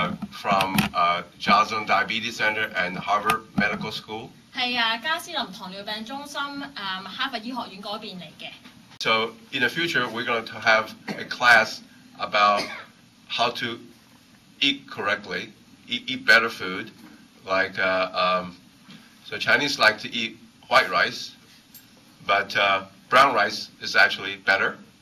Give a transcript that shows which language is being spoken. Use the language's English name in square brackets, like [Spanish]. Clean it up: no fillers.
[English] From Joslin Diabetes Center and Harvard Medical School. [Cantonese] 係啊，加斯林糖尿病中心，哈佛醫學院嗰邊嚟嘅。 [English] So in the future, we're going to have a class about how to eat correctly, eat better food, like so Chinese like to eat white rice, but brown rice is actually better.